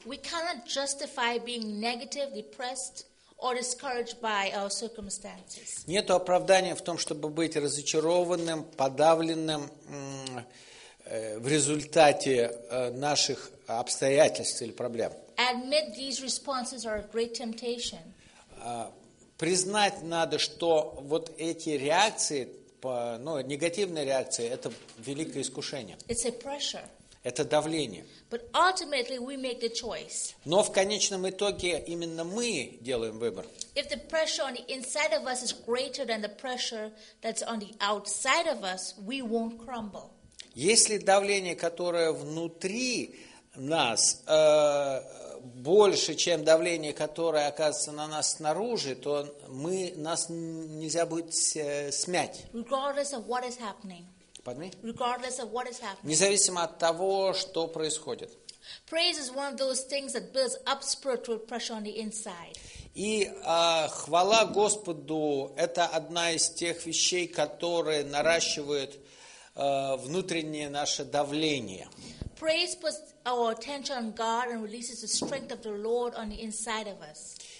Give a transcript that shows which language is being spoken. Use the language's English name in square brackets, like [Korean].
[English] We cannot justify being negative, depressed, or discouraged by our circumstances. [Russian] Нет оправдания в том, чтобы быть разочарованным, подавленным, в результате наших обстоятельств или проблем. [English] Admit these responses are a great temptation. [Russian] Признать надо, что вот эти реакции, ну, негативные реакции, это великое искушение. [English] It's a pressure. [Russian] Это давление. [English] But ultimately we make the choice. [Russian] Но в конечном итоге именно мы делаем выбор. [English] If the pressure on the inside of us is greater than the pressure that's on the outside of us, we won't crumble. [Russian] Если давление, которое внутри нас, больше, чем давление, которое оказывается на нас снаружи, то мы, нас нельзя будет смять. [English] Regardless of what is happening. Regardless of what is happening. [Russian] Независимо от того, что происходит. [English] Praise is one of those things that builds up spiritual pressure on the inside. [Russian] И хвала Господу – это одна из тех вещей, которые наращивают внутреннее наше давление. [English] Praise puts our attention on God and releases the strength of the Lord on the inside of us.